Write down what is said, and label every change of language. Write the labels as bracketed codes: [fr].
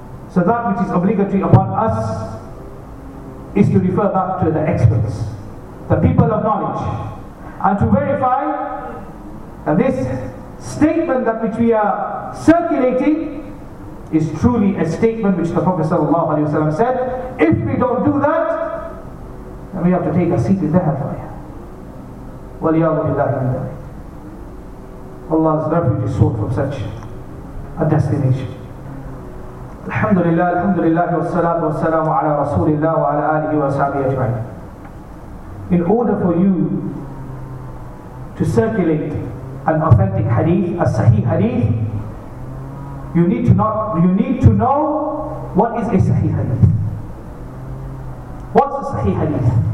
[en] So that which is obligatory upon us is to refer back to the experts, the people of knowledge, and to verify that this statement that which we are circulating is truly a statement which the Prophet sallallahu alaihi wasallam said. If we don't do that, then we have to take a seat in the hellfire. [ar] وَلِيَاذُ بِاللَّهِ مِنْ ذَلِكَ. [en] Allah's refuge is sought from such a destination. [ar] الحمد لله الحمد لله والصلاة والسلام على رسول الله وعلى آله وصحبه أجمعين. [en] In order for you to circulate an authentic hadith, a sahih hadith, you need to know what is a sahih hadith. What's a sahih hadith?